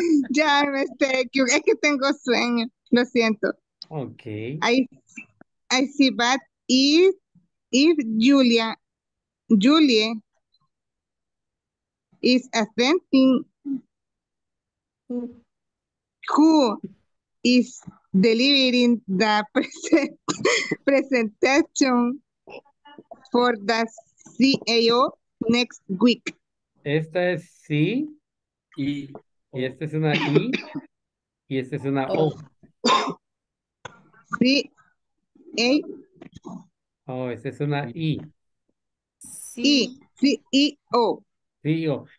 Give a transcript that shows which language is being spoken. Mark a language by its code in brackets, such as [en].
[es] Ya me estoy, es que tengo sueño, lo siento. [en] Okay. I see, but if Julia is attending, who is delivering the presentation for the CAO next week? [es] Esta es sí, y esta es una I, y esta es una O. Sí, E. Oh, esta es una I. [en] CEO.